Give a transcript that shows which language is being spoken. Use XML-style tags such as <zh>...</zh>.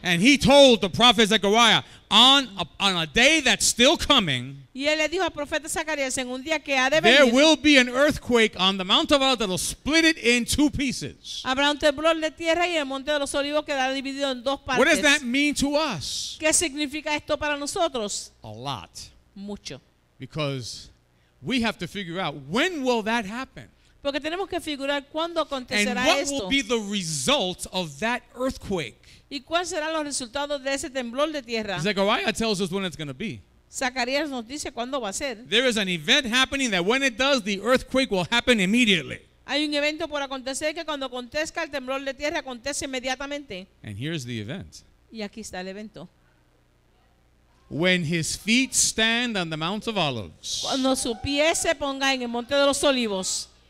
<en>And he told the prophet Zechariah, on a day that's still coming,</en> <es>y él le dijo al profeta Zacarías en un día que ha de</es> <en>there</en> <es>venir,</es> <en>will be an earthquake on the Mount of Olives that will split it in two pieces.</en> <es>Habrá un temblor de tierra y el Monte de los Olivos quedará dividido en dos partes.</es> <en>What does that mean to us?</en> <es>¿Qué significa esto para nosotros?</es> <en>A lot.</en> <es>Mucho.</es> <en>Because we have to figure out when will that happen?</en> <es>Porque tenemos que figurar cuándo acontecerá esto.</es> <en>And what will be the result of that earthquake?</en> <es>¿Y cuál será los resultados de ese temblor de tierra?</es> <en>Zechariah tells us when it's going to be.</en> <es>Zacarías nos dice cuándo va a ser.</es> <en>There is an event happening that when it does, the earthquake will happen immediately.</en> <es>Hay un evento por acontecer que cuando acontezca el temblor de tierra acontece inmediatamente.</es> <en>And here's the event.</en> <es>Y aquí está el evento.</es> <en>When his feet stand on the Mount of Olives.</en> <es>Cuando su pie se ponga en el Monte de los Olivos.</es>